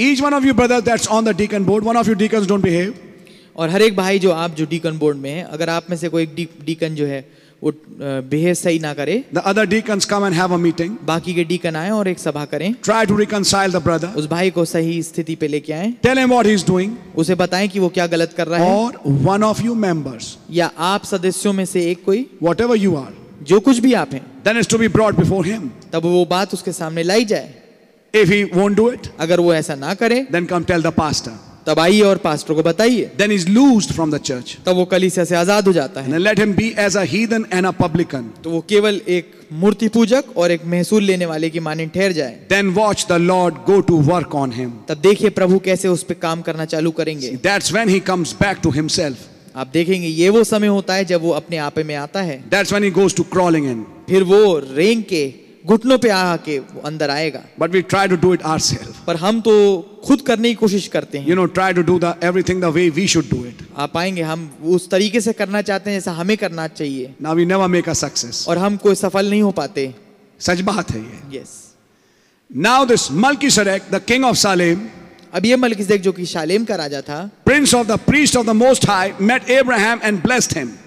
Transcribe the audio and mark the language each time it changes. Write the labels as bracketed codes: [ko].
[en] each one of you brothers that's on the deacon board, one of you deacons don't behave, [hi] और हर एक भाई जो आप जो डीकन बोर्ड में है, अगर आप में से कोई डीकन जो है वो बिहेव सही ना करे, [en] the other deacons come and have a meeting, [hi] बाकी के डीकन आए और एक सभा करें, [en] try to reconcile the brother, [hi] उस भाई को सही स्थिति पे लेके आए, [en] tell him what he's doing, [hi] उसे बताएं कि वो क्या गलत कर रहा है, [en] or one of you members, [hi] या आप सदस्यों में से एक कोई, [en] whatever you are, [hi] जो कुछ भी आप हैं, [en] then is to be brought before him, [hi] तब वो बात उसके सामने लाई जाए, [en] if he won't do it, [hi] अगर वो ऐसा ना करे, [en] then come tell the pastor, [hi] तब आइए और पास्टर को बताइए, [en] then he's loosed from the church, [hi] तब वो कलीसिया से आजाद हो जाता है, [en] and let him be as a heathen and a publican, [hi] तो वो केवल एक मूर्ति पूजक और एक महसूल लेने वाले की माने ठहर जाए, [en] then watch the Lord go to work on him, [hi] तब देखिए प्रभु कैसे उस पे काम करना चालू करेंगे, [en] see, that's when he comes back to himself, [hi] आप देखेंगे ये वो समय होता है जब वो अपने आप में आता है, [en] that's when he goes to crawling in, [hi] फिर वो रेंग के घुटनों पे आके वो अंदर आएगा, [en] but we try to do it ourselves, [hi] पर हम तो खुद करने की कोशिश करते हैं, [en] you know, try to do the everything the way we should do it, [hi] आप आएंगे हम उस तरीके से करना चाहते हैं जैसा हमें करना चाहिए, [en] now we never make a success, [hi] और हम कोई सफल नहीं हो पाते, सच बात है ये, [en] yes, now this Melchizedek the king of Salem, [hi] अब ये मलकीसेदेक जो कि शालेम का राजा था, [en] prince of the priest of the most high met Abraham and blessed him,